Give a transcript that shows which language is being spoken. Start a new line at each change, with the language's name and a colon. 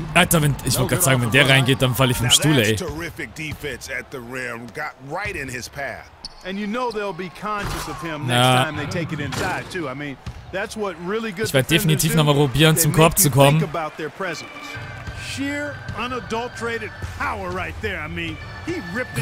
German: Alter, wenn, ich wollte gerade sagen, wenn der reingeht, dann falle ich vom Stuhl, ey.
English: Terrific defense at the rim, got right in his path. And you know they'll be conscious of him next time they take it inside too. I mean, that's what really good.
German: Ich werde definitiv nochmal probieren, zum Korb zu kommen.
English: Think about their presence. Sheer unadulterated power right there. I mean, he ripped it.